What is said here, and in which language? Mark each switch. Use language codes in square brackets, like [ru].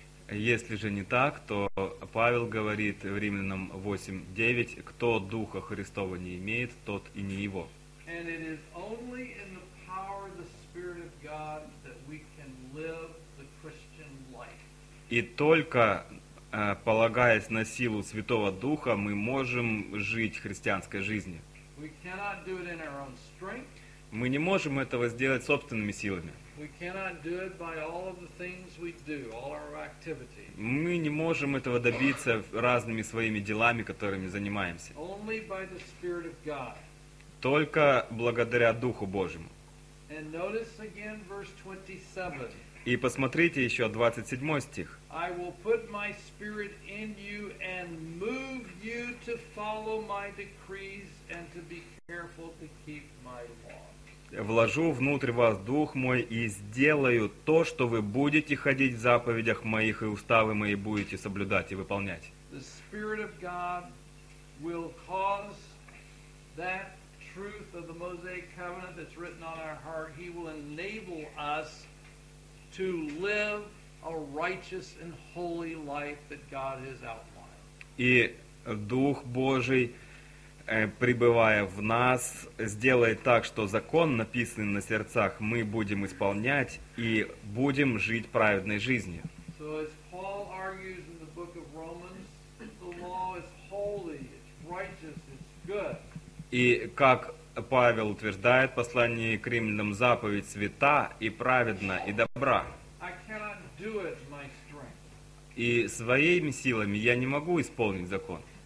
[ru] Если же не так, то Павел говорит в Римлянам 8:9, кто Духа Христова не имеет, тот и не его. [en] And it is only in the power of the Spirit of God that we can live the Christian life. [ru] И только полагаясь на силу Святого Духа, мы можем жить христианской жизнью. [en] We cannot do it in our own strength. [ru] Мы не можем этого сделать собственными силами. [en] We cannot do it by all of the things we do, all our activity. [ru] Мы не можем этого добиться разными своими делами, которыми занимаемся. [en] Only by the Spirit of God. [ru] Только благодаря Духу Божьему. [en] And notice again verse 27. [ru] И посмотрите еще 27 стих. [en] I will put my spirit in you and move you to follow my decrees and to be careful to keep my law. [ru] вложу внутрь вас Дух Мой и сделаю то, что вы будете ходить в заповедях Моих и уставы Мои будете соблюдать и выполнять. [en] The Spirit of God will cause that truth of the Mosaic Covenant that's written on our heart, He will enable us to live a righteous and holy life that God has outlined. [ru] И Дух Божий, пребывая в нас, сделает так, что закон, написанный на сердцах, мы будем исполнять и будем жить праведной жизнью. [en] So as Paul argues in the book of Romans, the law is holy, it's righteous, it's good. [ru] И как Павел утверждает в послании к Римлянам, заповедь свята и праведна и добра. [en] I cannot do it my strength. [ru] И своими силами я не могу исполнить закон.